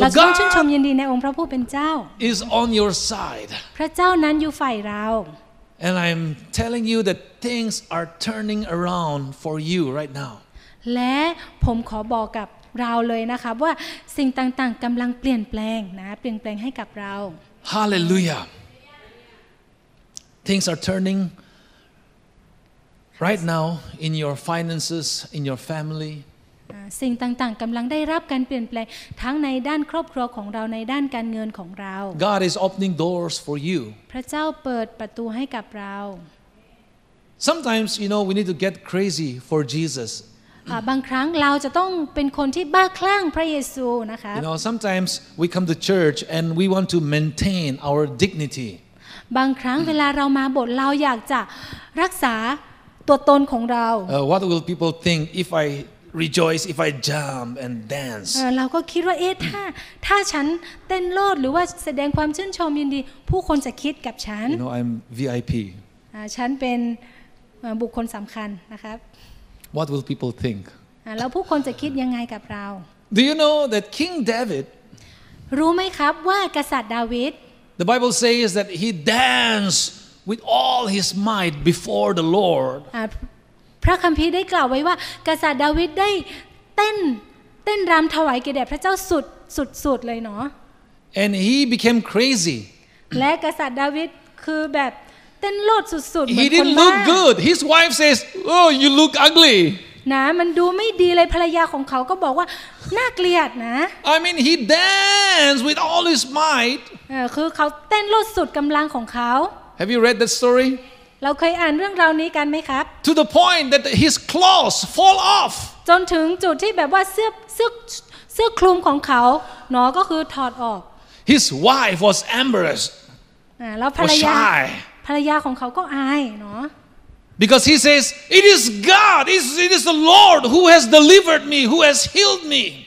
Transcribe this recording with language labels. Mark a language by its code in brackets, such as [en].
[th] เราต้องชื่นชมยินดีในองค์พระผู้เป็นเจ้า [en] is on your side. [th] พระเจ้านั้นอยู่ฝ่ายเรา [en] And I'm telling you that things are turning around for you right now. [th] และผมขอบอกกับเราเลยนะครับว่าสิ่งต่างๆกำลังเปลี่ยนแปลงนะเปลี่ยนแปลงให้กับเรา [en] Hallelujah. Things are turning right now in your finances, in your family. [th] สิ่งต่างๆกำลังได้รับการเปลี่ยนแปลงทั้งในด้านครอบครัวของเราในด้านการเงินของเรา [en] God is opening doors for you [th] พระเจ้าเปิดประตูให้กับเรา [en] Sometimes you know we need to get crazy for Jesus [th] บางครั้งเราจะต้องเป็นคนที่บ้าคลั่งพระเยซูนะคะ [en] You know sometimes we come to church and we want to maintain our dignity [th] บางครั้งเวลาเรามาโบสถ์เราอยากจะรักษาตัวตนของเรา [en] What will people think if I rejoice if I jump and dance [th] เราก็คิดว่าเอ๊ะถ้าฉันเต้นโลดหรือว่าแสดงความชื่นชมยินดีผู้คนจะคิดกับฉัน [en] You know I'm VIP [th] ฉันเป็นบุคคลสำคัญนะครับ [en] What will people think [th] แล้วผู้คนจะคิดยังไงกับเรา [en] Do you know that King David [th] รู้ไหมครับว่ากษัตริย์ดาวิด [en] The Bible says that he danced with all his might before the Lord [th] พระคัมภีร์ได้กล่าวไว้ว่ากษัตริย์ดาวิดได้เต้นรำถวายแก่แด่พระเจ้าสุดเลยเนาะ [en] And he became crazy [th] และกษัตริย์ดาวิดคือแบบเต้นโลดสุดๆเหมือนคนบ้า [en] He didn't look good His wife says Oh you look ugly [th] นะมันดูไม่ดีเลยภรรยาของเขาก็บอกว่าน่าเกลียดนะ [en] I mean he danced with all his might [th] คือเขาเต้นโลดสุดกำลังของเขา [en] Have you read that story [th] เราเคยอ่านเรื่องราวนี้กันไหมครับ [en] To the point that his clothes fall off [th] จนถึงจุดที่แบบว่าเสื้อคลุมของเขาเนาะก็คือถอดออก [en] His wife was embarrassed [th] แล้วภรรยาของเขาก็อายเนาะ [en] Because he says it is God it is the Lord who has delivered me who has healed me